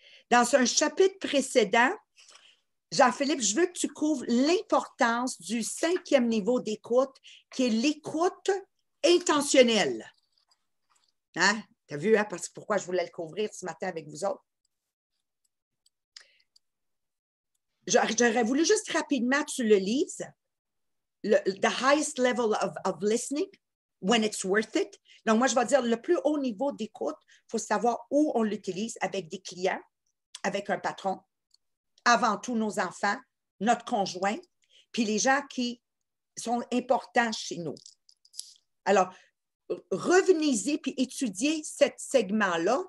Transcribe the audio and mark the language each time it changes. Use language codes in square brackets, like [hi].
[fr] Dans un chapitre précédent, Jean-Philippe, je veux que tu couvres l'importance du 5e niveau d'écoute, qui est l'écoute intentionnelle. Hein? Tu as vu, hein? Parce que pourquoi je voulais le couvrir ce matin avec vous autres? J'aurais voulu juste rapidement que tu le lises. [en] The highest level of listening, when it's worth it. [fr] Donc, moi, je vais dire le plus haut niveau d'écoute, il faut savoir où on l'utilise avec des clients, avec un patron, avant tout nos enfants, notre conjoint, puis les gens qui sont importants chez nous. Alors, revenez-y puis étudiez ce segment-là.